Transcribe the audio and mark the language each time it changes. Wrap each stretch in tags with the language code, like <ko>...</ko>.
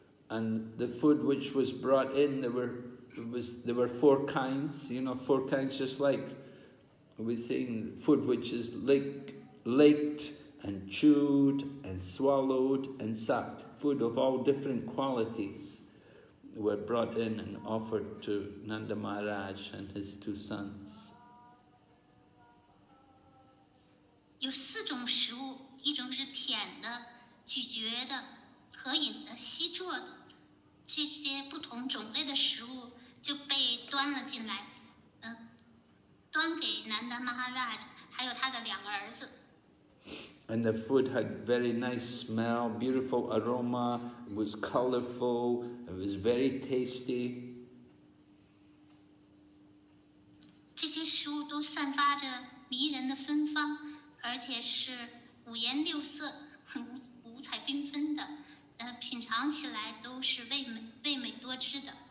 <en>And the food which was brought in, there were four kinds, you know, four kinds, just like we saying food which is licked and chewed and swallowed and sucked. Food of all different qualities were brought in and offered to Nanda Maharaj and his two sons.</en> <zh>有四种食物，一种是舔的、咀嚼的、可饮的、吸住的，这些不同种类的食物就被端了进来，端给南达玛哈拉什还有他的两个儿子。</zh> <en>And the food had very nice smell, beautiful aroma, it was colorful, it was very tasty.</en> <zh>这些食物都散发着迷人的芬芳。而且是五颜六色、五彩缤纷的，品尝起来都是味美多汁的。</zh>